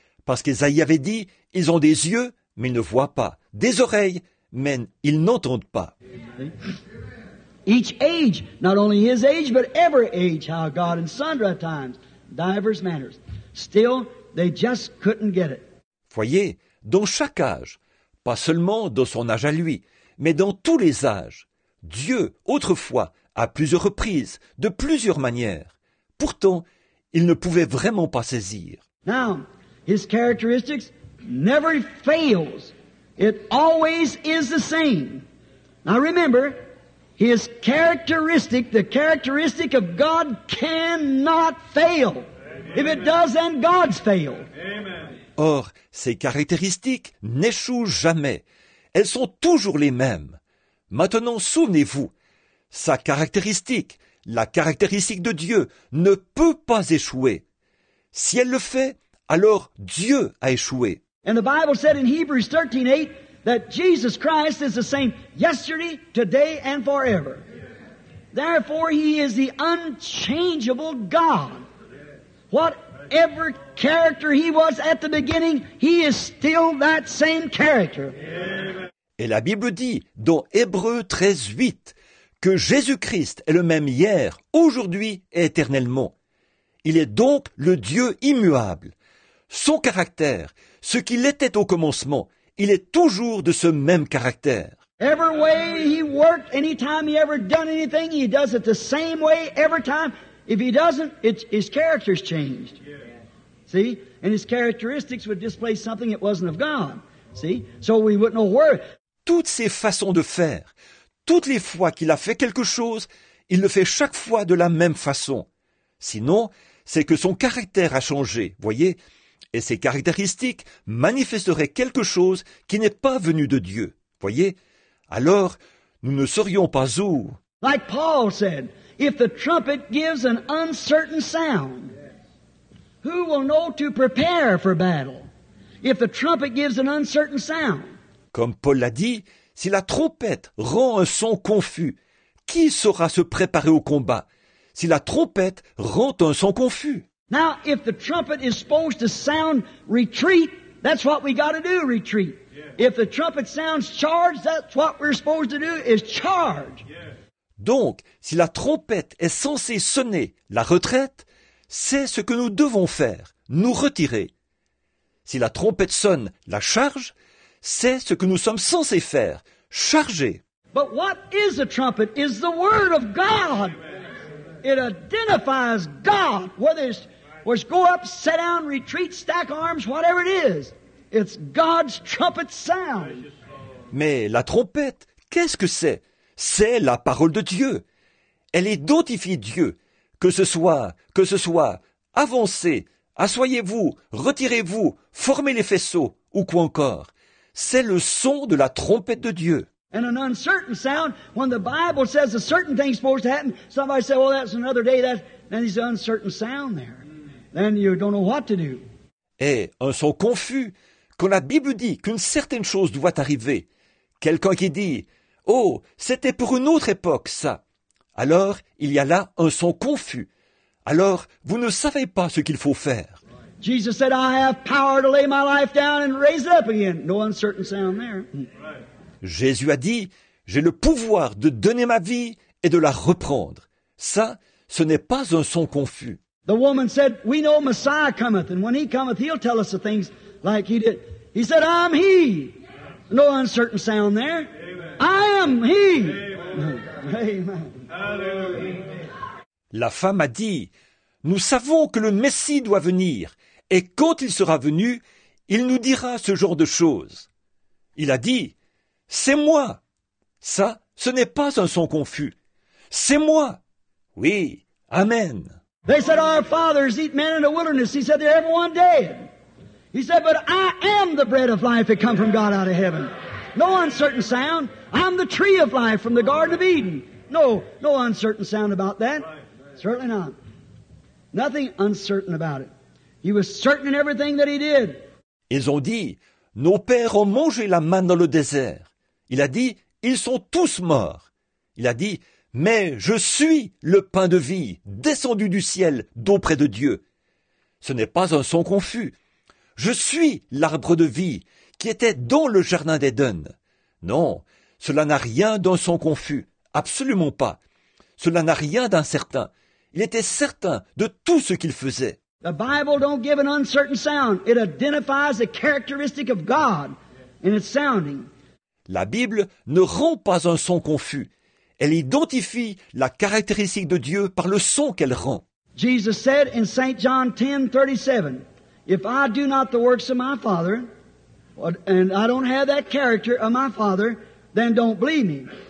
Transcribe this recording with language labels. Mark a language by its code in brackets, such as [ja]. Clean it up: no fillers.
[fr] Parce qu'Ésaïe avait dit, ils ont des yeux, mais ils ne voient pas. Des oreilles, mais ils n'entendent pas. [en] Each age, not only his age, but every age, how God in sundry times, diverse manners. Still, they just couldn't get it. [fr] Voyez, dans chaque âge, pas seulement dans son âge à lui, mais dans tous les âges. Dieu, autrefois, à plusieurs reprises, de plusieurs manières. Pourtant, il ne pouvait vraiment pas saisir. [en] Now, his characteristics never fails. It always is the same. Now remember, his characteristic, the characteristic of God cannot fail. Amen. If it does, then God's failed. [fr] Or, ses caractéristiques n'échouent jamais. Elles sont toujours les mêmes. Maintenant, souvenez-vous, sa caractéristique, la caractéristique de Dieu, ne peut pas échouer. Si elle le fait, alors Dieu a échoué. [en] And the Bible said in Hebrews 13:8 that Jesus Christ is the same yesterday, today, and forever. Therefore, he is the unchangeable God. Whatever character he was at the beginning, he is still that same character. [fr] Et la Bible dit dans Hébreux 13:8 que Jésus-Christ est le même hier, aujourd'hui et éternellement. Il est donc le Dieu immuable. Son caractère, ce qu'il était au commencement, il est toujours de ce même caractère. [en] Every way he worked, any time he ever done anything, he does it the same way every time. If he doesn't, his character's changed. See? And his characteristics would display something it wasn't of God. See? So we wouldn't know where. [fr] Toutes ses façons de faire, toutes les fois qu'il a fait quelque chose, il le fait chaque fois de la même façon. Sinon, c'est que son caractère a changé, voyez? Et ses caractéristiques manifesteraient quelque chose qui n'est pas venu de Dieu, voyez? Alors, nous ne serions pas où? [en] Like Paul said, if the trumpet gives an uncertain sound, who will know to prepare for battle? If the trumpet gives an uncertain sound. [fr] Comme Paul l'a dit, si la trompette rend un son confus, qui saura se préparer au combat? Si la trompette rend un son confus. [en] Now, if the trumpet is supposed to sound retreat, that's what we got to do, retreat. Yes. If the trumpet sounds charge, that's what we're supposed to do, is charge. Yes. [fr] Donc, si la trompette est censée sonner la retraite, c'est ce que nous devons faire, nous retirer. Si la trompette sonne la charge, c'est ce que nous sommes censés faire, charger. [en] But what is a trumpet? It's the word of God. Amen. It identifies God, whether it's go up, sit down, retreat, stack arms, whatever it is. It's God's trumpet sound. [fr] Mais la trompette, qu'est-ce que c'est? C'est la parole de Dieu. Elle identifie Dieu. Que ce soit, avancez, asseyez-vous, retirez-vous, formez les faisceaux, ou quoi encore. C'est le son de la trompette de Dieu. [en] And an uncertain sound, when the Bible says a certain thing is supposed to happen, somebody says, well, that's another day, then there's an uncertain sound there. Then you don't know what to do. [fr] Et un son confus, quand la Bible dit qu'une certaine chose doit arriver, quelqu'un qui dit, oh, c'était pour une autre époque, ça. Alors, il y a là un son confus. Alors, vous ne savez pas ce qu'il faut faire. [en] Jesus said, I have power to lay my life down and raise it up again. No uncertain sound there. [fr] Jésus a dit, j'ai le pouvoir de donner ma vie et de la reprendre. Ça, ce n'est pas un son confus. [en] The woman said, we know Messiah cometh, and when he cometh, he'll tell us the things like he did. He said, I'm he. No uncertain sound there. Amen. I am he. Amen. [fr] La femme a dit, nous savons que le Messie doit venir, et quand il sera venu, il nous dira ce genre de choses. Il a dit, c'est moi. Ça, ce n'est pas un son confus. C'est moi. Oui. Amen. [en] They said our fathers eat manna in the wilderness. He said they're everyone dead. He said, but I am the bread of life that come from God out of heaven. No uncertain sound. I'm the tree of life from the Garden of Eden. No uncertain sound about that. Certainly not. Nothing uncertain about it. He was certain in everything that he did. [fr] Ils ont dit, nos pères ont mangé la manne dans le désert. Il a dit, ils sont tous morts. Il a dit, mais je suis le pain de vie, descendu du ciel, d'auprès de Dieu. Ce n'est pas un son confus. Je suis l'arbre de vie, qui était dans le jardin d'Éden. Non, cela n'a rien d'un son confus, absolument pas. Cela n'a rien d'incertain. Il était certain de tout ce qu'il faisait. [en] The Bible don't give an uncertain sound. It identifies the characteristic of God in its sounding. [fr] La Bible ne rend pas un son confus. Elle identifie la caractéristique de Dieu par le son qu'elle rend. [en] Jesus said in St. John 10:37, if I do not the works of my Father, and I don't have that character of my Father, then don't believe me.